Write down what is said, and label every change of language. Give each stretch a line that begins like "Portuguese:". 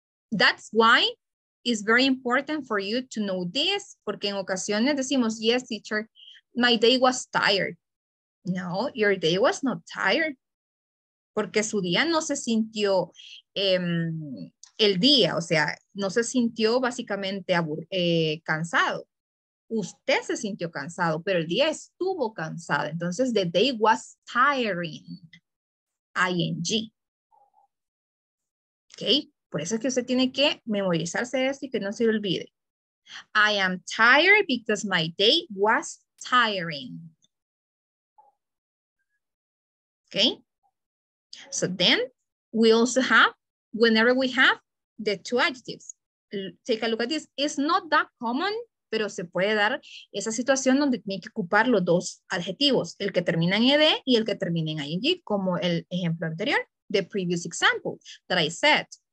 English: That's why it's very important for you to know this,
Spanish: porque en ocasiones decimos,
English: yes, teacher, my day was tired. No, your day was not tired.
Spanish: Porque su día no se sintió el día, o sea, no se sintió básicamente cansado. Usted se sintió cansado, pero el día estuvo cansado. Entonces,
English: the day was tiring, ing.
Spanish: ¿Ok? Por eso es que usted tiene que memorizarse esto y que no se lo olvide.
English: I am tired because my day was tiring.
Spanish: ¿Ok?
English: So then, we also have, whenever we have the two adjectives. Take a look at this. It's not that common,
Spanish: pero se puede dar esa situación donde tiene que ocupar los dos adjetivos, el que termina en ed y el que termina en ing, como el ejemplo anterior,
English: the previous example that I said.